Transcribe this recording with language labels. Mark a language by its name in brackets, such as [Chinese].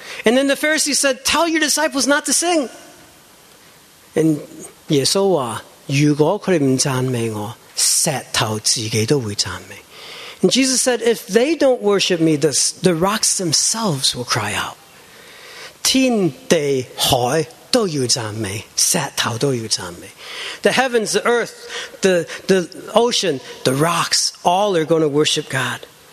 [English] And then the Pharisees said, tell your disciples not to sing. [Cantonese] And 耶穌話，如果佢哋唔讚美我，石頭自己都會讚美。 [English] And Jesus said, if they don't worship me, the rocks themselves will cry out. [Cantonese] 天地海。 [English] The heavens, the earth, the ocean, the rocks, all are going to worship God.